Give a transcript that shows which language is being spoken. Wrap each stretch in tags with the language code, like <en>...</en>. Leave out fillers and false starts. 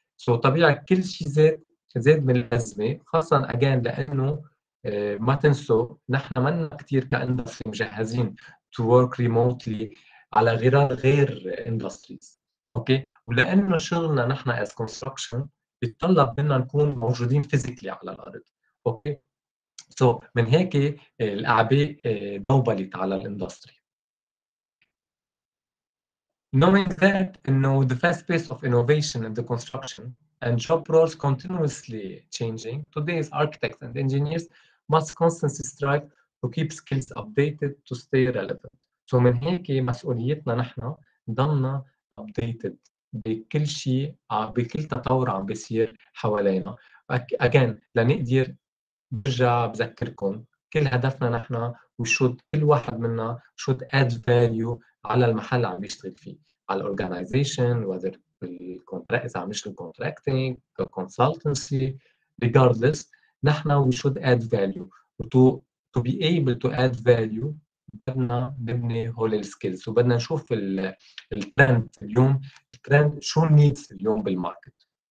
<ar>So طبيعة كل شيء زاد من اللازمة خاصة again لأنه ما تنسوا نحن ما كتير كإندستري مجهزين</ar> <en>to work remotely</en> <ar>على غير industries.</ar> <en>Okay.</en> <ar>ولأنه شغلنا نحن as construction بيتطلب منا نكون موجودين physically على الأرض.</ar> <en>Okay.</en> <ar>So من هيك الأعباء دوبلت على الإندستري.</ar> <en>Knowing that, you know, the fast pace of innovation in the construction and job roles continuously changing, today's architects and engineers must constantly strive to keep skills updated to stay relevant.</en> <ar>So من هيك مسؤوليتنا نحن ضلنا updated بكل شيء بكل تطور عم بيصير حوالينا. again لنقدر برجع بذكركم كل هدفنا نحن وشود كل واحد منا should add value على المحل اللي عم بيشتغل فيه على الorganization whether بالcontract إذا عم يشتغل contracting أو consultancy regardless نحن</ar> <en>we should add value</en> <ar>to be able to add value بدنا نبني هول السكيلز وبدنا نشوف الترند اليوم الترند شو needs اليوم بالماركت</ar>